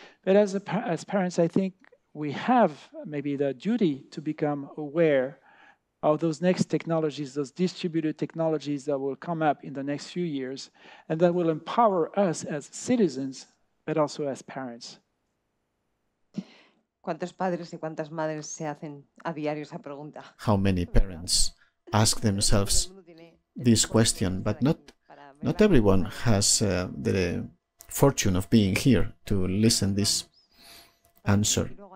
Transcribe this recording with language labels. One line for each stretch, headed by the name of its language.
English: But as parents, I think we have maybe the duty to become aware of those next technologies, those distributed technologies that will come up in the next few years, and that will empower us as citizens, but also as parents.
Spanish: ¿Cuántos padres y cuántas madres se hacen a diario esa pregunta?
English: How many parents ask themselves this question? But not everyone has the fortune of being here to listen this answer.